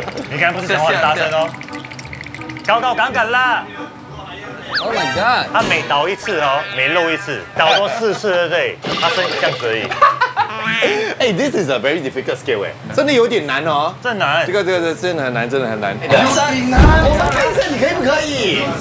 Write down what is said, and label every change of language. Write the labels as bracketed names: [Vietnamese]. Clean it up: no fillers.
[Chinese] 你刚刚不是讲话很大声哦？高高杠杠啦。 [English] Oh my god！ [Chinese] 他每倒一次哦，每漏一次，倒多四次，对不对？他是这样子而已。 [English] Hey, this is a very difficult skill， [Chinese] 哎，真的有点难哦。真难。这个真的很难，真的很难。有点难。我们看一下，你可以不可以？